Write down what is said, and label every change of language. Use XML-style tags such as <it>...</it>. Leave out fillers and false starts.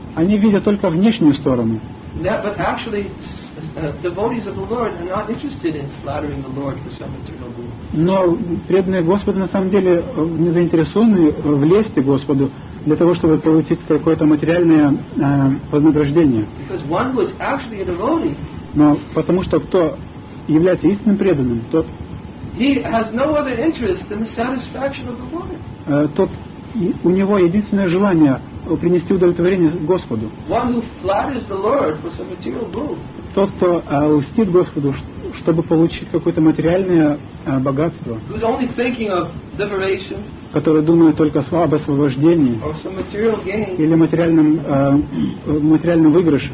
<ru>Они видят только внешнюю сторону.</ru> <en>That, but actually, devotees of the Lord are not interested in flattering the Lord for some eternal boon.</en> <ru>Но преданные Господу на самом деле не заинтересованы в лести Господу для того, чтобы получить какое-то материальное вознаграждение.</ru> <en>Because one was actually a devotee.</en> <ru>Но потому что кто является истинным преданным, тот</ru> <en>he has no other interest than the satisfaction of the Lord.</en> <ru>Тот у него единственное желание принести удовлетворение Господу.</ru> <en>One who flatters the Lord for some material boon.</en> <ru>Тот, кто льстит Господу, чтобы получить какое-то материальное богатство.</ru> <en>Who's only thinking of liberation.</en> <ru>Который думает только об освобождении или материальном выигрыше</ru>